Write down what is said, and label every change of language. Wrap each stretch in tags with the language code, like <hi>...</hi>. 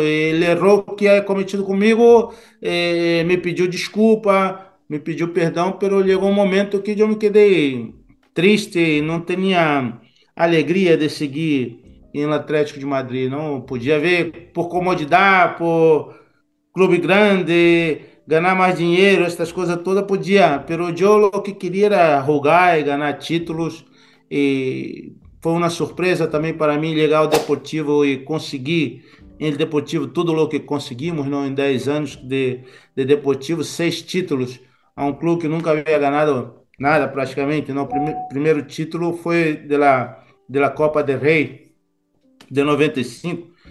<pt>Ele errou o que havia cometido comigo, me pediu desculpa, me pediu perdão, mas chegou um momento que eu me quedei triste, não tinha alegria de seguir em Atlético de Madrid, não podia ver por comodidade, por clube grande, ganhar mais dinheiro, essas coisas todas, podia.</pt> <es>Pero yo lo que quería era jugar</es> <pt>e ganhar títulos. E foi uma surpresa também para mim ligar o Deportivo e conseguir em Deportivo tudo o que conseguimos, não, em 10 anos de Deportivo, 6 títulos a um clube que nunca havia ganhado nada praticamente. Não, primeiro título foi de la Copa del Rey de 95.</pt>